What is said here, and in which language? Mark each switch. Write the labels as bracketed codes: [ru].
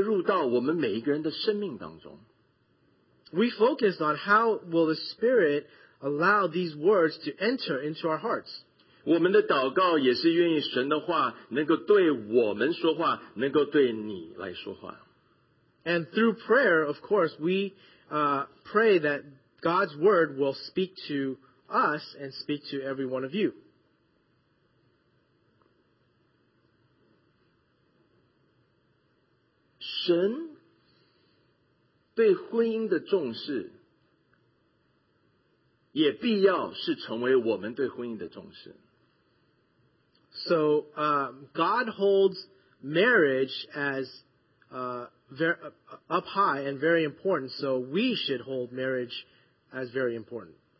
[zh] 我们注重的是圣灵要怎么样将他的话能够带入到我们每一个人的生命当中。 [en] We focus on how will the Spirit allow these words to enter into our hearts. [zh] 我们的祷告也是愿意神的话能够对我们说话，能够对你来说话。 [en] And through prayer, of course, we pray that God's word will speak to us and speak to every one of you. [zh] 神 对婚姻的重视，也必要是成为我们对婚姻的重视。 [en] So God holds marriage as up high and very important. So we should hold marriage as very important.